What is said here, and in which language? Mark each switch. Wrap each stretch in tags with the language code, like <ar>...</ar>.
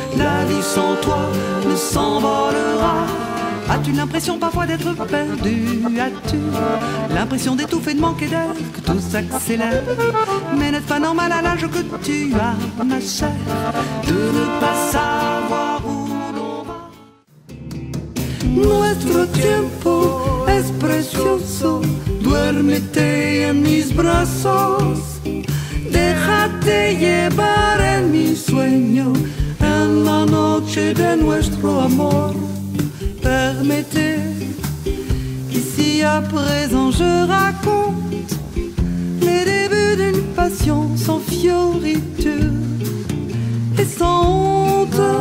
<fr>La vie sans toi ne s'envolera. As-tu l'impression parfois d'être perdu? As-tu l'impression d'étouffer, de manquer d'air, que tout s'accélère? Mais n'est-ce pas normal à l'âge que tu as, ma chère, de ne pas savoir où l'on va?</fr> <es>Nuestro tiempo es precioso. Duérmete en mis brazos, déjate llevar en mi sueño, en la noche de nuestro amor.</es> <fr>Permettez qu'ici à présent je raconte les débuts d'une passion sans fioriture et sans honte.</fr>